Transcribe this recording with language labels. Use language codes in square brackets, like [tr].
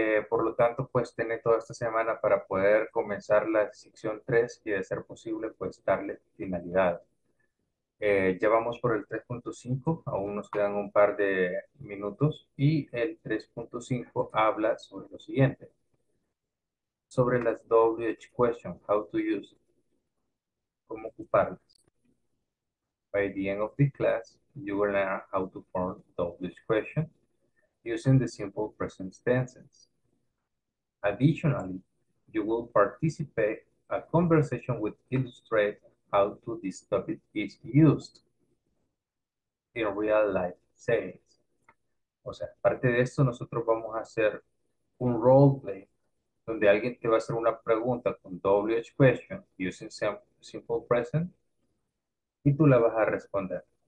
[es] Por lo tanto, pues tiene toda esta semana para poder comenzar la sección 3 y, de ser posible, pues darle finalidad. Ya vamos por el 3.5, aún nos quedan un par de minutos y el 3.5 habla sobre lo siguiente. Sobre las WH questions, [en] how to use it. [es] ¿Cómo ocuparlas? [en] By the end of the class, you will learn how to form WH questions using the simple present tenses. Additionally, you will participate in a conversation with illustrate how to this topic is used in real life settings. [es] O sea, parte de esto, nosotros vamos a hacer un role play donde alguien te va a hacer una pregunta con WH question [en] using simple present [es] y tú la vas a responder.